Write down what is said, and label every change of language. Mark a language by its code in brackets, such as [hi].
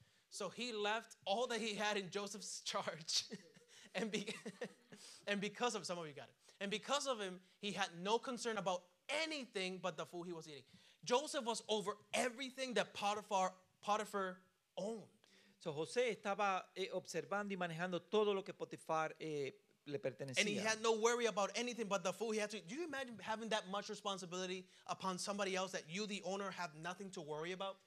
[en] So he left all that he had in Joseph's charge. And because of him, he had no concern about anything but the food he was eating. Joseph was over everything that Potiphar owned. [es] So José estaba observando y manejando todo lo que Potifar le pertenecía. [en] And he had no worry about anything but the food he had to. Do you imagine having that much responsibility upon somebody else that you, the owner, have nothing to worry about?